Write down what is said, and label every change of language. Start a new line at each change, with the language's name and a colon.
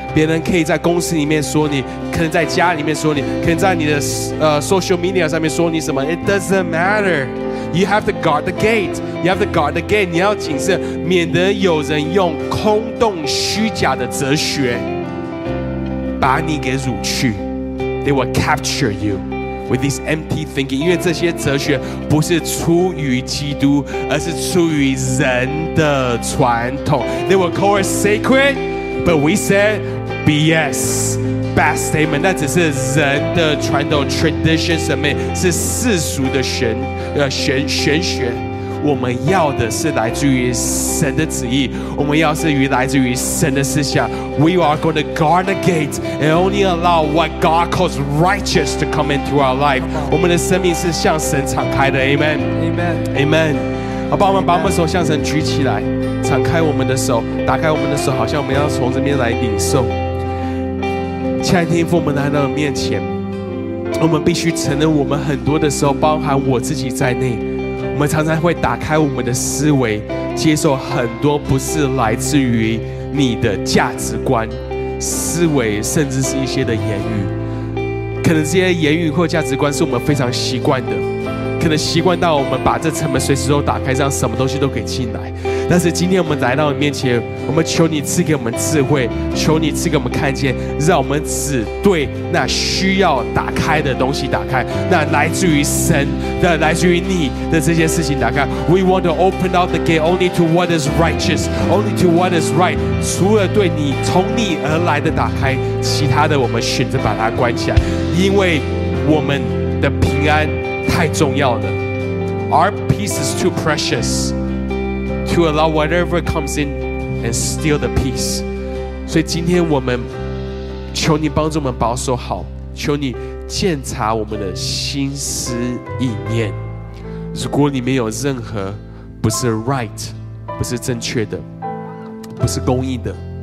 Chinese: 别人可以在公司里面说你，可能在家里面说你，可能在你的social media 上面说你什么，
English: it doesn't matter. You have to guard the gate. You have to guard the gate.
Chinese: 你要谨慎，免得有人用空洞虚假的哲学把你给掳去。
English: They will capture you with this empty thinking.
Chinese: 因为这些哲学不是出于基督，而是出于人的传统。
English: They will call it sacred, but we said BS, bad statement.
Chinese: 那只是人的传统
English: tradition
Chinese: 上面是世俗的玄学。我们要的是来自于神的旨意，我们要是于来自于神的思想。
English: We are going to guard the gate and only allow what God calls righteous to come into our life.
Chinese: 我们的生命是向神敞开的。
English: Amen. Amen. Amen.
Chinese: 好吧，我们把我们手向神举起来，敞开我们的手，打开我们的手，好像我们要从这边来领受。亲爱的天父，我们来到你面前，我们必须承认，我们很多的时候，包含我自己在内，我们常常会打开我们的思维，接受很多不是来自于你的价值观、思维，甚至是一些的言语。可能这些言语或价值观是我们非常习惯的，可能习惯到我们把这城门随时都打开，让什么东西都可以进来。但是今天我们来到你面前，我们求你赐给我们智慧，求你赐给我们看见，让我们只对那需要打开的东西打开，那来自于神的、来自于你的这些事情打开。
English: We want to open out the gate only to what is righteous, only to what is right.
Chinese: 除了对你从你而来的打开，其他的我们选择把它关起来，因为我们的平安太重要了。
English: Our peace is too precious to allow whatever comes in and steal the peace.
Chinese: 所以今天我们求你帮助我们保守好，求你鉴察我们的心思意念，如果里面有任何不是 right, 不是正确的，不是公义的，